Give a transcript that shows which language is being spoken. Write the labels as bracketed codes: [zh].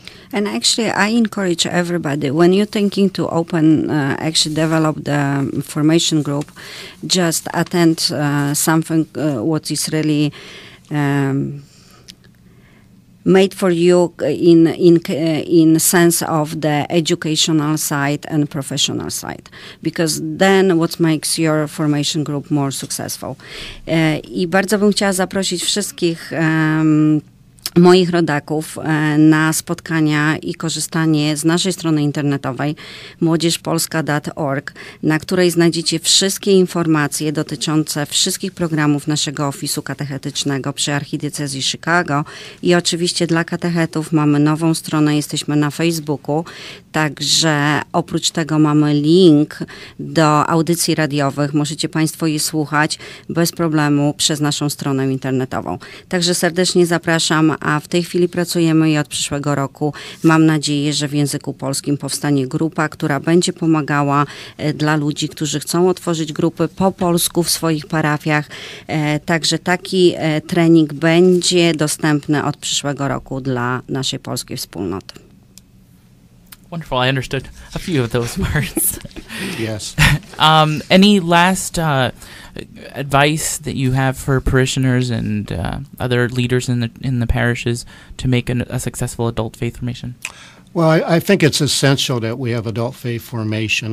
[en] And actually, I encourage everybody, when you're thinking to open, actually develop the formation group, just attend something what is really made for you in sense of the educational side and professional side, because then what makes your formation group more successful. [pl] I bardzo bym chciała zaprosić wszystkich moich rodaków na spotkania i korzystanie z naszej strony internetowej młodzieżpolska.org, na której znajdziecie wszystkie informacje dotyczące wszystkich programów naszego ofisu katechetycznego przy Archidiecezji Chicago. I oczywiście dla katechetów mamy nową stronę, jesteśmy na Facebooku, także oprócz tego mamy link do audycji radiowych, możecie Państwo je słuchać bez problemu przez naszą stronę internetową. Także serdecznie zapraszam. A w tej chwili pracujemy i od przyszłego roku mam nadzieję, że w języku polskim powstanie grupa, która będzie pomagała dla ludzi, którzy chcą otworzyć grupy po polsku w swoich parafiach. Także taki trening będzie dostępny od przyszłego roku dla naszej polskiej wspólnoty. [en] Wonderful, I understood a few of those words. Yes. Any last advice that you have for parishioners and other leaders in the parishes to make a successful adult faith formation? Well, I think it's essential that we have adult faith formation.